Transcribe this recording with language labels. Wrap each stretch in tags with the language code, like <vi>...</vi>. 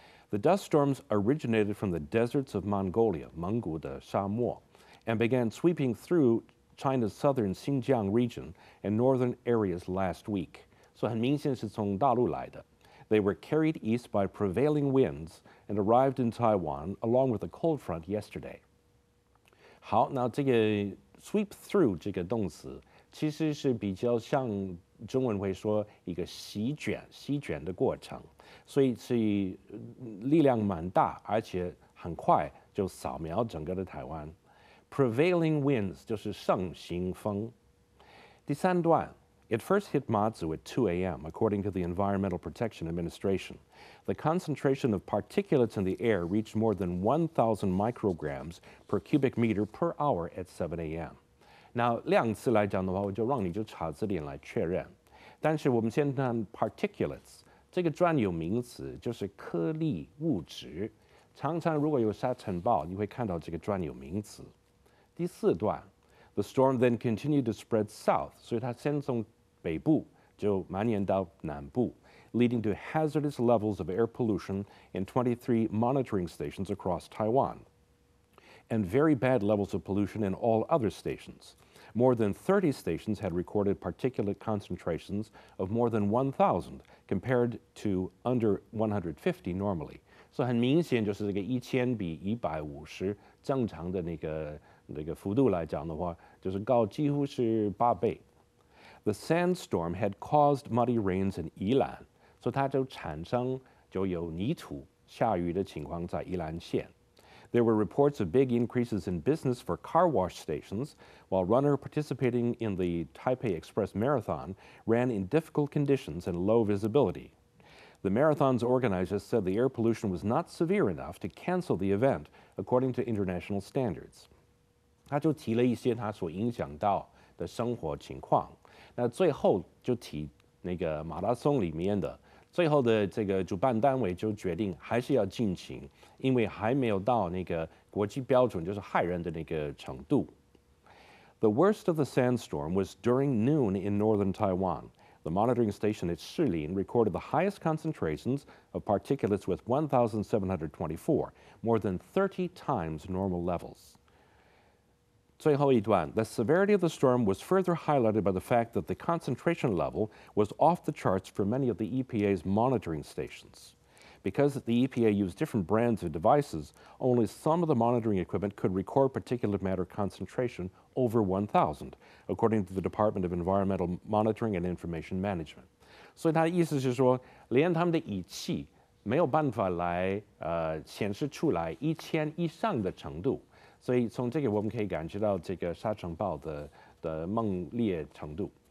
<en>The dust storms originated from the deserts of Mongolia,</en> <zh>蒙古的沙漠</zh> <en>and began sweeping through. China's southern Xinjiang region and northern areas last week.</en> <zh>So, 很明显是从大陆来的。</zh> <en>They were carried east by prevailing winds and arrived in Taiwan along with a cold front yesterday.</en> <zh>好，那这个 sweep through 这个动词其实是比较像中文会说一个席卷的过程，所以是力量蛮大，而且很快就扫描整个的台湾。</zh> <en>Prevailing winds</en> <zh>就是盛行风。第三段</zh> <en>，It first hit Mazu at 2 a.m. according to the Environmental Protection Administration. The concentration of particulates in the air reached more than 1,000 micrograms per cubic meter per hour at 7 a.m.</en> <zh>那量词来讲的话，我就让你就查字典来确认。但是我们先谈 particulates， 这个专有名词就是颗粒物质。常常如果有沙尘暴，你会看到这个专有名词。</zh> <en>第四段 ，The storm then continued to spread south，</en> <zh>所以它先从北部就蔓延到南部</zh> <en>，leading to hazardous levels of air pollution in 23 monitoring stations across Taiwan， and very bad levels of pollution in all other stations. More than 30 stations had recorded particulate concentrations of more than 1,000 compared to under 150 normally.</en> <zh>所以很明显就是这个一千比一百五十正常的那个。这个幅度来讲的话，就是高几乎是八倍。</zh> <en>The sandstorm had caused muddy rains in Yilan，</en> <zh>所以它就产生就有泥土下雨的情况在宜兰县。</zh> <en>There were reports of big increases in business for car wash stations, while runner participating in the Taipei Express Marathon ran in difficult conditions and low visibility. The marathon's organizers said the air pollution was not severe enough to cancel the event, according to international standards.</en> <zh>他就提了一些他所影响到的生活情况，那最后就提那个马拉松里面的最后的这个主办单位就决定还是要进行，因为还没有到那个国际标准就是害人的那个程度。</zh> <en>The worst of the sandstorm was during noon in northern Taiwan. The monitoring station at Shilin recorded the highest concentrations of particulates with 1,724, more than 30 times normal levels.</en> <zh>最后一段</zh> <en>，The severity of the storm was further highlighted by the fact that the concentration level was off the charts for many of the EPA's monitoring stations. Because the EPA used different brands of devices, only some of the monitoring equipment could record particulate matter concentration over 1,000, according to the Department of Environmental Monitoring and Information Management.</en> <zh>所以他的意思是说，连他们的仪器没有办法来显示出来一千以上的程度。所以从这个我们可以感觉到这个沙尘暴 的猛烈程度。</zh>